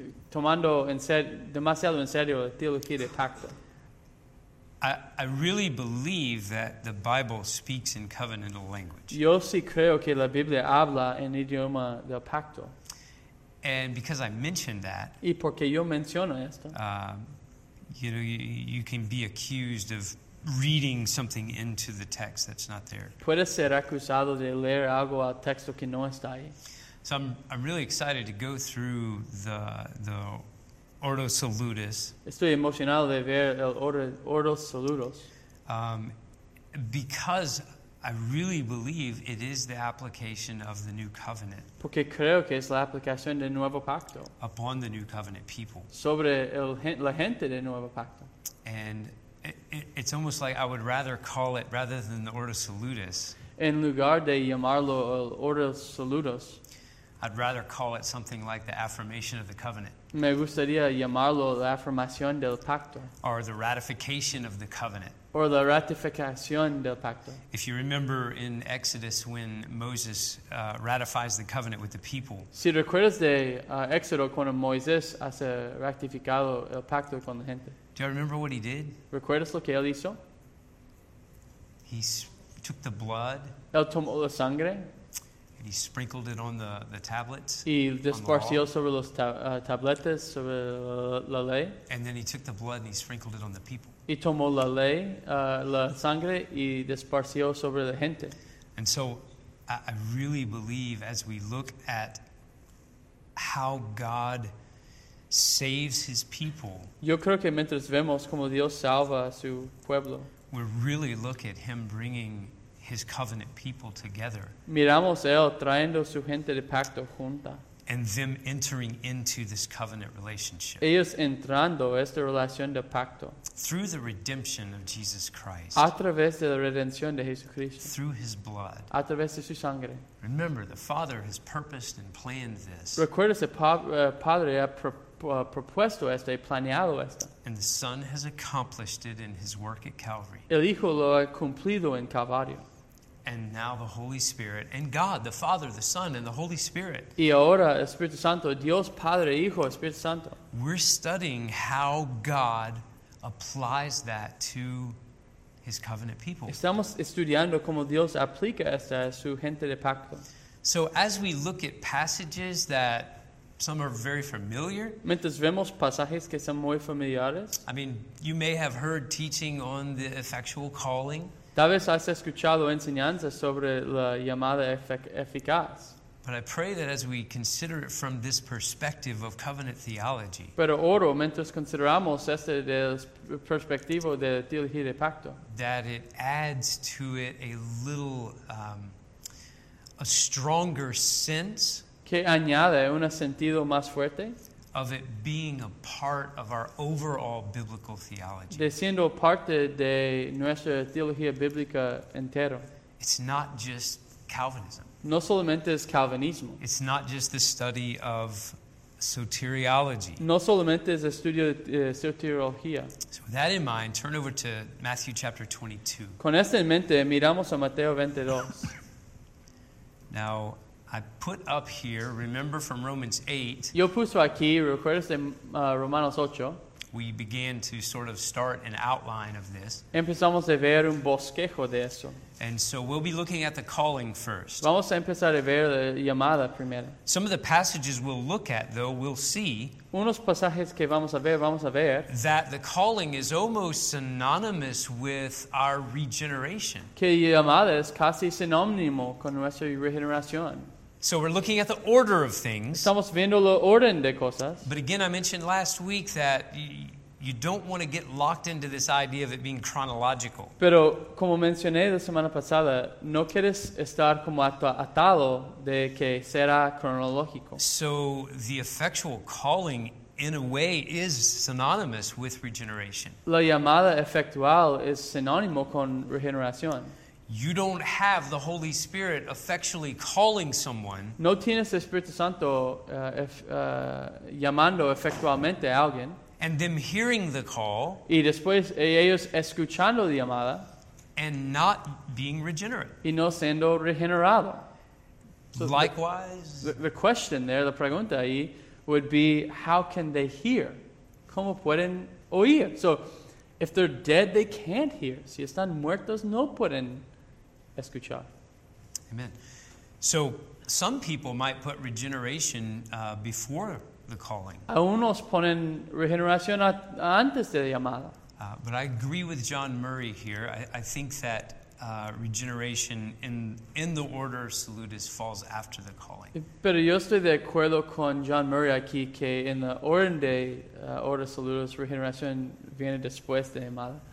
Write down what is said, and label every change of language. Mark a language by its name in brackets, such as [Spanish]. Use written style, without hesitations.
[Spanish] tomando en ser, demasiado en serio la teología de pacto. [English] I really believe that the Bible speaks in covenantal language. [Spanish] Yo sí creo que la Biblia habla en idioma del pacto. [English] And because I mentioned that, [Spanish] y porque yo menciono esto, [English] you can be accused of reading something into the text that's not there. [Spanish] Puede ser acusado de leer algo al texto que no está ahí. [English] So I'm really excited to go through the Ordo Salutis. [Spanish] Estoy emocionado de ver el Ordo Salutis. [English] Because I really believe it is the application of the new covenant. [Spanish] Porque creo que es la aplicación del nuevo pacto. [English] Upon the new covenant people. [Spanish] Sobre el, la gente del nuevo pacto. [English] And it's almost like I would rather call it, rather than the Ordo Salutis. [Spanish] En lugar de llamarlo el Ordo Salutis. [English] I'd rather call it something like the affirmation of the covenant. [Spanish] Me gustaría llamarlo la afirmación del pacto. [English] Or the ratification of the covenant. Or [Spanish] la ratificación del pacto. [English] If you remember in Exodus when Moses ratifies the covenant with the people. [Spanish] Si recuerdas de Éxodo cuando Moisés hace ratificado el pacto con la gente. [English] Do you remember what he did? [Spanish] ¿Recuerdas lo que él hizo? [English] He took the blood. [Spanish] Él tomó la sangre. [English] He sprinkled it on the tablets. [Spanish] Y desparció sobre los tabletas, sobre la ley. [English] And then he took the blood and he sprinkled it on the people. [Spanish] Y tomó la ley, la sangre, y desparció sobre la gente. [English] And so I really believe as we look at how God saves his people. [Spanish] Yo creo que mientras vemos como Dios salva a su pueblo. [English] We really look at him bringing his covenant people together. [Spanish] Miramos él trayendo su gente de pacto junta. [English] And them entering into this covenant relationship. [Spanish] Ellos entrando esta relación de pacto. [English] Through the redemption of Jesus Christ. [Spanish] A través de la redención de Jesucristo. [English] Through his blood. [Spanish] A través de su sangre. [English] Remember, the Father has purposed and planned this. [Spanish] Recuerdas el Padre ha propuesto esto y planeado esto. [English] And the Son has accomplished it in his work at Calvary. [Spanish] El Hijo lo ha cumplido en Calvario. [English] And now the Holy Spirit and God, the Father, the Son, and the Holy Spirit. [Spanish] Y ahora Espíritu Santo, Dios Padre, Hijo, Espíritu Santo. [English] We're studying how God applies that to his covenant people. [Spanish] Estamos estudiando cómo Dios aplica esto a su gente de pacto. [English] So as we look at passages that some are very familiar. [Spanish] Mientras vemos pasajes que son muy familiares. [English] I mean, you may have heard teaching on the effectual calling. [Spanish] Tal vez has escuchado enseñanzas sobre la llamada eficaz. [English] But I pray that as we consider it from this perspective of covenant theology. [Spanish] Pero oro, mientras consideramos este del perspectivo de teología de pacto. [English] That it adds to it a little, a stronger sense. [Spanish] Que añade un sentido más fuerte [English] of it being a part of our overall biblical theology. [Spanish] De siendo parte de nuestra teología bíblica entera. [English] It's not just Calvinism. [Spanish] No solamente es Calvinismo. [English] It's not just the study of soteriology. [Spanish] No solamente es estudio de soteriología. [English] So with that in mind, turn over to Matthew chapter 22. [Spanish] Con esto en mente, miramos a Mateo 22. [English] Now, I put up here, remember from Romans 8. [Spanish] Yo puse aquí, recuerdas de Romanos 8. [English] we began to sort of start an outline of this. [Spanish] Empezamos a ver un bosquejo de eso. [English] And so we'll be looking at the calling first. [Spanish] Vamos a empezar a ver la llamada primero. [English] Some of the passages we'll look at, though, we'll see [Spanish] unos pasajes que vamos a ver [English] that the calling is almost synonymous with our regeneration. [Spanish] Que llamada es casi sinónimo con nuestra regeneración. [English] So we're looking at the order of things. [Spanish] Estamos viendo el orden de cosas. [English] But again, I mentioned last week that you don't want to get locked into this idea of it being chronological. [Spanish] Pero como mencioné la semana pasada, no quieres estar como atado de que será cronológico. [English] So the effectual calling, in a way, is synonymous with regeneration. [Spanish] La llamada efectual es sinónimo con regeneración. [English] You don't have the Holy Spirit effectually calling someone. [Spanish] No tienes Espíritu Santo llamando efectualmente a alguien. [English] And them hearing the call. [Spanish] Y después ellos escuchando la llamada. [English] And not being regenerate. [Spanish] Y no siendo regenerado. [English] So likewise. The question there, [Spanish] la pregunta ahí, [English] would be, how can they hear? [Spanish] ¿Cómo pueden oír? [English] So, if they're dead, they can't hear. [Spanish] Si están muertos, no pueden escuchar. [English] Amen. So, some people might put regeneration before the calling. [Spanish] A unos ponen regeneración antes de la llamada. [English] But I agree with John Murray here. I think that regeneration in the order of salutis falls after the calling. [Spanish] Pero yo estoy de acuerdo con John Murray aquí que en la orden de order salutis regeneración viene después de llamada.